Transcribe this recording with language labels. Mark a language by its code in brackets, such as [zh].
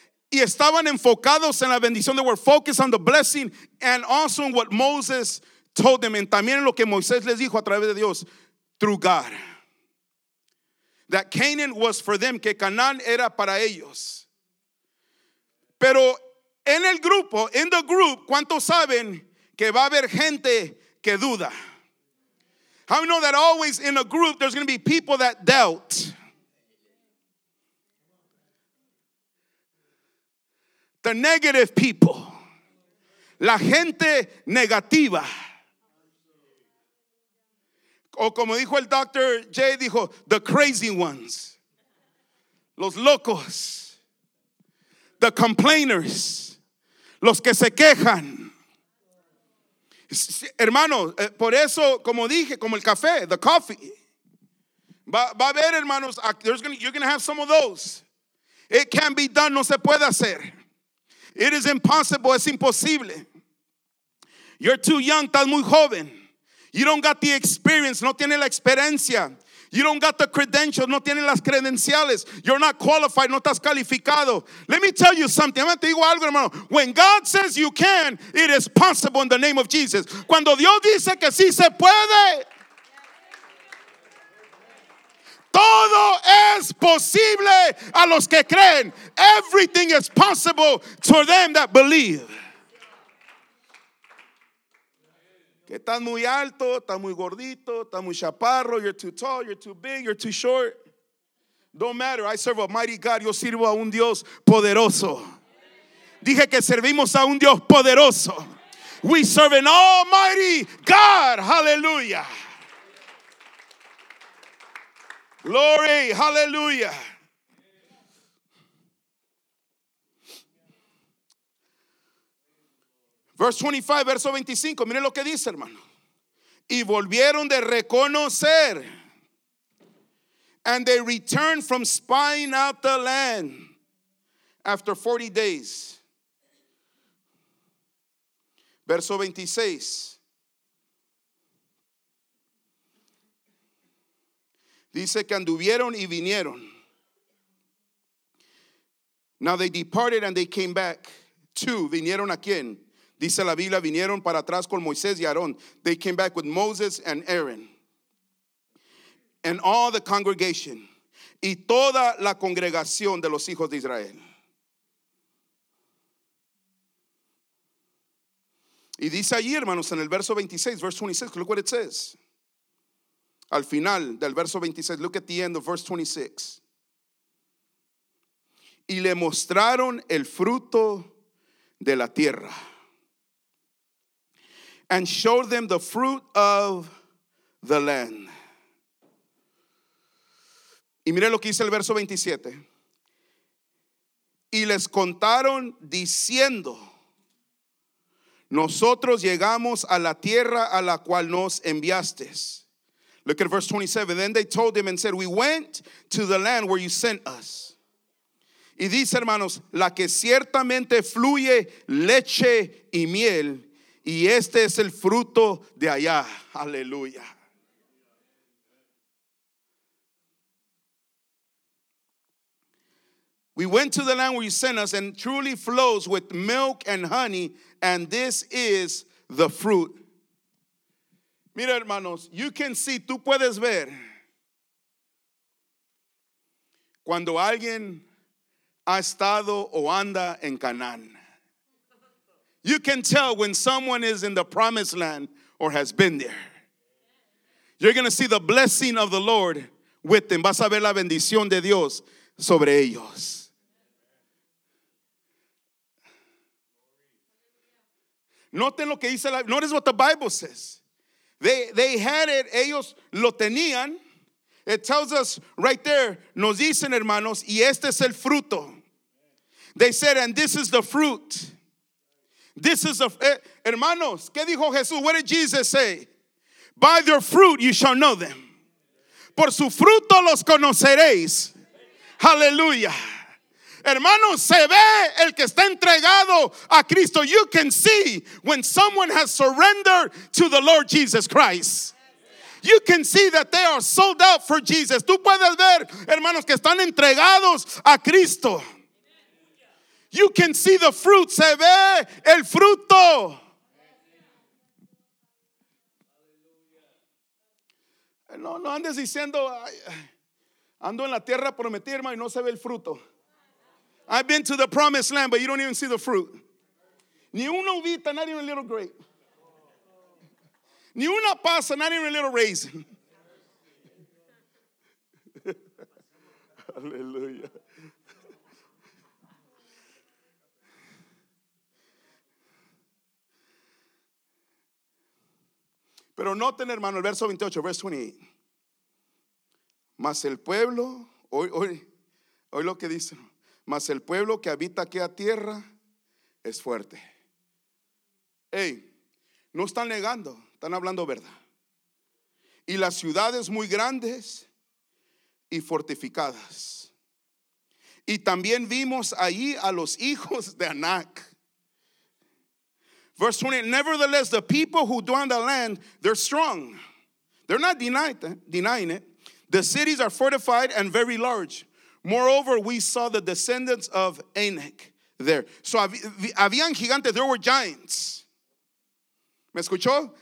[es] Y estaban enfocados en la bendición. [en] They were focused on the blessing and also on what Moses told them. [es] And también lo que Moisés les dijo a través de Dios, [en] through God. That Canaan was for them, [es] que Canaán era para ellos. Pero en el grupo, [en] in the group, [es] ¿cuántos saben? Que va a haber gente que duda. [en] How many know that always in a group there's going to be people that doubt? The negative people. [es] la gente negativa. O como dijo el Dr. J, dijo, [en] the crazy ones. [es] Los locos. [en] The complainers. [es] Los que se quejan. Hermano, por eso, como dije, como el café, [en] the coffee. [es] Va a haber, hermanos, [en] you're going to have some of those. It can't be done, [es] no se puede hacer. [en] It is impossible, [es] es imposible. [en] You're too young, [es] estás muy joven. [en] You don't got the experience, [es] no tiene la experiencia. [en] You don't got the credentials, [es] no tiene las credenciales. [en] You're not qualified, [es] no estás calificado. [en] Let me tell you something, [es] te digo algo, hermano. [en] When God says you can, it is possible in the name of Jesus. [es] Cuando Dios dice que sí se puede, todo es posible a los que creen. [en] Everything is possible to them that believe. [es] Que estás muy alto, estás muy gordito, estás muy chaparro. [en] You're too tall, you're too big, you're too short. Don't matter, I serve a mighty God. [es] Yo sirvo a un Dios poderoso. Dije que servimos a un Dios poderoso. [en] We serve an almighty God, hallelujah. Glory, hallelujah. Verse 25, [es] verso 25, mire lo que dice, hermano. Y volvieron de reconocer. [en] And they returned from spying out the land after 40 days. [es] Verso 26. Dice que anduvieron y vinieron. [en] Now they departed and they came back to. [es] ¿Vinieron a quién? Dice la Biblia, vinieron para atrás con Moisés y Aarón. [en] They came back with Moses and Aaron. And all the congregation. [es] Y toda la congregación de los hijos de Israel. Y dice allí, hermanos, en el verso 26, [en] verse 26, look what it says. [es] Al final del verso 26, [en] look at the end of verse 26. [es] Y le mostraron el fruto de la tierra. [en] And showed them the fruit of the land. [es] Y mire lo que dice el verso 27. Y les contaron diciendo, nosotros llegamos a la tierra a la cual nos enviaste. [en] Look at verse 27. Then they told him and said, we went to the land where you sent us. [es] Y dice, hermanos, la que ciertamente fluye leche y miel, y este es el fruto de allá. Aleluya. [en] We went to the land where you sent us and truly flows with milk and honey, and this is the fruit. [es] Mira, hermanos, [en] you can see, [es] tú puedes ver cuando alguien ha estado o anda en Canaán. [en] You can tell when someone is in the promised land or has been there. You're going to see the blessing of the Lord with them. [es] Vas a ver la bendición de Dios sobre ellos. Noten lo que dice la, [en] notice what the Bible says. They had it, [es] ellos lo tenían. [en] It tells us right there, [es] nos dicen, hermanos, y este es el fruto. [en] They said, and this is the fruit. This is a, hermanos, ¿qué dijo Jesús? What did Jesus say? By their fruit you shall know them. [es] Por su fruto los conoceréis. [en] Hallelujah. [es] Hermanos, se ve el que está entregado a Cristo. [en] You can see when someone has surrendered to the Lord Jesus Christ. You can see that they are sold out for Jesus. [es] Tú puedes ver, hermanos, que están entregados a Cristo. [en] You can see the fruit. [es] Se ve el fruto. No, no andes diciendo, ando en la tierra prometida, hermano, y no se ve el fruto. [en] I've been to the promised land, but you don't even see the fruit. [es] Ni una uvita, [en] not even a little grape. [es] Ni una pasa, [en] not even a little raisin. [es] Aleluya. Pero noten, hermano, el verso 28, [en] verse 28. [es] Mas el pueblo, hoy lo que dice, mas el pueblo que habita aquí a tierra es fuerte. [en] Hey, [es] no están negando, están hablando verdad. Y las ciudades muy grandes y fortificadas. Y también vimos allí a los hijos de Anak. [en] Verse 20, nevertheless, the people who dwell in the land, they're strong. They're not denying it. The cities are fortified and very large. Moreover, we saw the descendants of Anak there. [es] So, habían gigantes, [en] there were giants. [es] ¿Me escuchó?